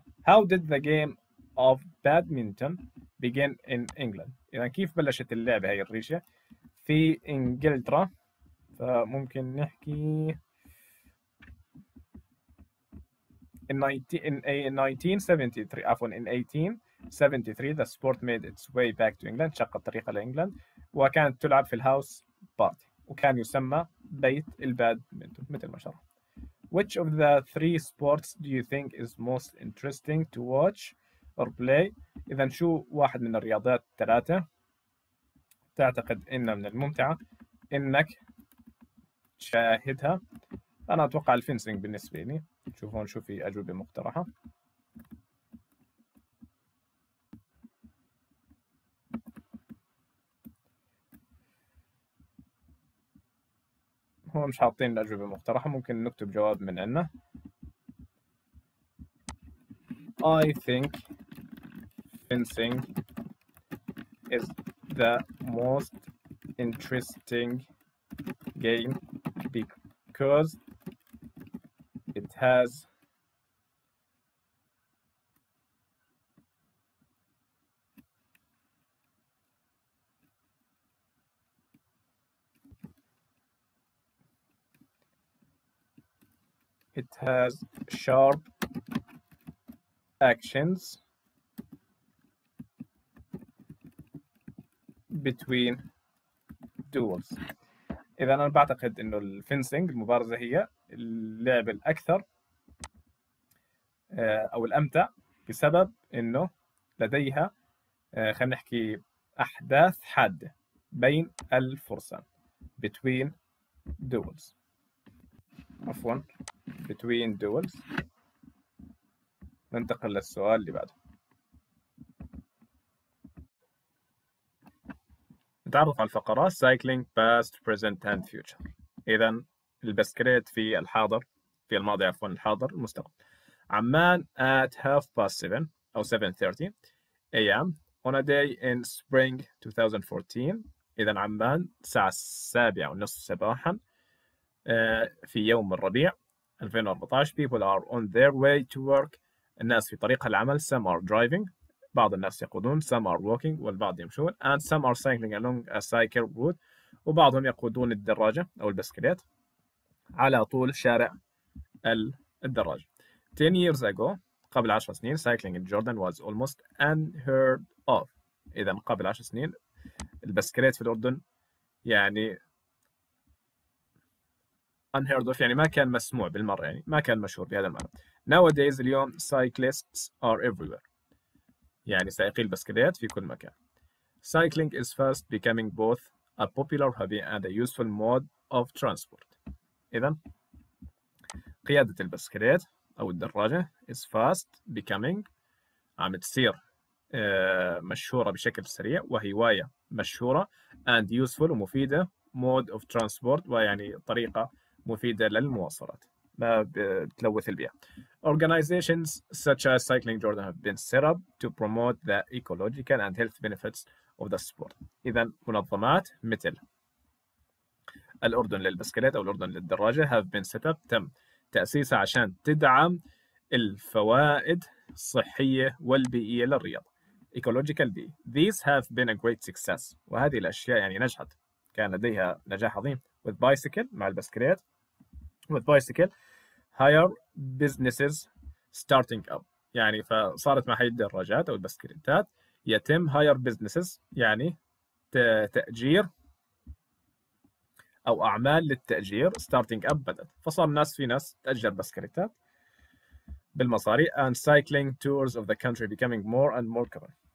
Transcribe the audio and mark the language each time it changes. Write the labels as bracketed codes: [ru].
[en] How did the game of badminton begin in England؟ [ar] إذا كيف بلشت اللعبة هاي الريشة في إنجلترا؟ فممكن نحكي [en] in 1873 the sport made its way back to England [ar] شق الطريق لإنجلند وكانت تلعب في الهاوس بارتي وكان يسمى بيت البادمينتون مثل ما شاء الله. [en] Which of the three sports do you think is most interesting to watch or play? [ar] إذا شو واحد من الرياضات الثلاثة تعتقد إن من الممتعة إنك تشاهدها؟ أنا أتوقع الفينسينج بالنسبة لي. شوفون شو في أجوبة مقترحة. هم مش حاطين الأجوبة المقترحة ممكن نكتب جواب من عنا. [en] I think fencing is the most interesting game because it has sharp actions between duels. [ar] إذا أنا بعتقد إنه الفينسينج المبارزة هي اللعبة الأكثر أو الأمتع بسبب إنه لديها خلينا نحكي أحداث حادة بين الفرسان [en] between duels. [ar] عفوا [en] between duels. [ar] ننتقل للسؤال اللي بعده. نتعرف على الفقرات [en] cycling past present and future. [ar] إذن البسكليت في الحاضر في الماضي عفوا الحاضر المستقبل. [en] عمان at half past 7 [ar] أو [en] 7:30 a.m. on a day in spring 2014. [ar] إذن عمان الساعة 7:30 صباحا في يوم الربيع 2014. [en] People are on their way to work. [ar] الناس في طريق العمل. [en] Some are driving. [ar] بعض الناس يقودون. [en] Some are walking. [ar] والبعض يمشون. [en] And some are cycling along a cycle route. [ar] وبعضهم يقودون الدراجة أو البسكليت على طول شارع الدراجة. [en] 10 years ago, [ar] قبل 10 سنين, [en] cycling in Jordan was almost unheard of. [ar] إذا قبل 10 سنين البسكليت في الأردن يعني [en] unheard of, [ar] يعني ما كان مسموع بالمرة, يعني ما كان مشهور بهذا المرة. [en] Nowadays, [ar] اليوم [en] cyclists are everywhere. [ar] يعني سائقي البسكليت في كل مكان. [en] Cycling is fast becoming both a popular hobby and a useful mode of transport. [ar] إذا قيادة البسكليت أو الدراجة [en] is fast becoming, [ar] عم تصير مشهورة بشكل سريع, وهواية مشهورة, [en] and useful [ar] ومفيدة, [en] mode of transport, [ar] ويعني طريقة مفيدة للمواصلات, ما بتلوث البيئة. [en] Organizations such as Cycling Jordan have been set up to promote the ecological and health benefits of the sport. [ar] إذا منظمات مثل الأردن للبسكليت أو الأردن للدراجة [en] have been set up, [ar] تم تأسيسها عشان تدعم الفوائد الصحية والبيئية للرياضة. [en] Ecological bee. These have been a great success. [ar] وهذه الأشياء يعني نجحت. كان لديها نجاح عظيم. [en] With bicycle, [ar] مع البسكليت. [en] With bicycle, higher businesses starting up. [ar] يعني فصارت مع هي الدراجات أو البسكليتات يتم [en] higher businesses, [ar] يعني تأجير أو أعمال للتأجير [en] starting up [ar] بدأت. فصار الناس في ناس تأجر بسكليتات بالمصاري. [en] And cycling tours of the country becoming more and more common.